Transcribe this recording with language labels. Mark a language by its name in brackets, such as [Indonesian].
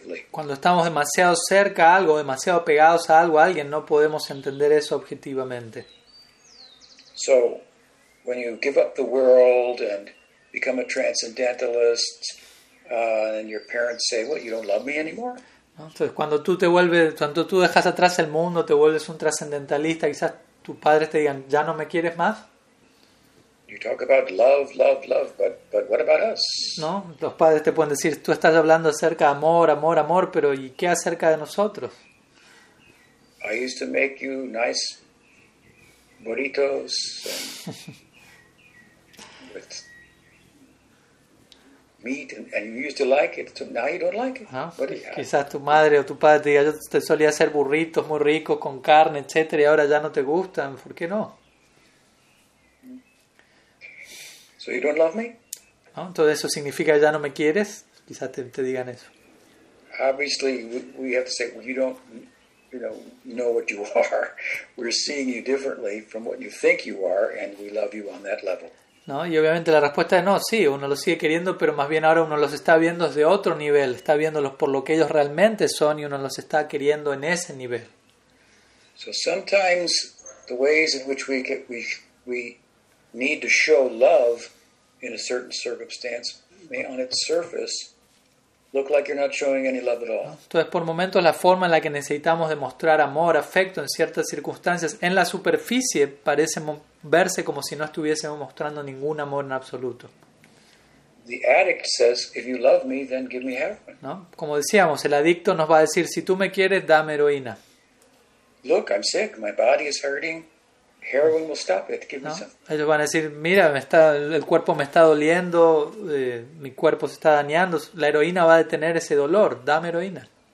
[Spanish] Cuando estamos demasiado cerca a algo, demasiado pegados a algo, a alguien, no podemos entender eso objetivamente. [English] So, when you give up the world and become a transcendentalist, and your parents say, "Well, you don't love me anymore." [Spanish] Entonces, cuando tú te vuelves, cuando tú dejas atrás el mundo, te vuelves un trascendentalista, quizás tus padres te digan, "¿Ya no me quieres más?" [English] You talk about love, love, love, but what about us? [Spanish] No, los padres te pueden decir, "Tú estás hablando acerca de amor, amor, amor, pero ¿y qué acerca de nosotros?" [English] I used to make you nice burritos with meat and you used to like it, so now you don't like it. [Spanish] No, quizás tu madre o tu padre te diga, "Yo te solía hacer burritos muy ricos con carne, etcétera, y ahora ya no te gustan, ¿por qué no?" [English] So you don't love me? [Spanish] ¿No? Entonces eso significa ya no me quieres, quizás te digan eso. [English] Obviously we have to say, "Well, you don't, you know what you are. We're seeing you differently from what you think you are and we love you on that level." [Spanish] ¿No? Y obviamente la respuesta es no, sí, uno los sigue queriendo, pero más bien ahora uno los está viendo desde otro nivel, está viéndolos por lo que ellos realmente son y uno los está queriendo en ese nivel. [English] So sometimes the ways in which we need to show love in a certain circumstance may on its surface look like you're not showing any love at all. [Spanish] Entonces, por momentos, la forma en la que necesitamos demostrar amor, afecto en ciertas circunstancias, en la superficie, parece verse como si no estuviésemos mostrando ningún amor en absoluto. [English] The addict says, "If you love me, then give me heroin." [Spanish] ¿No? Como decíamos, el adicto nos va a decir, "Si tú me quieres, dame heroína." [English] Look, I'm sick. My body is hurting. Heroin will stop it. Give me some. [Spanish] Ellos van a decir, mira, el cuerpo me está doliendo, mi cuerpo se está dañando. La heroína va a detener ese dolor. Dame heroína.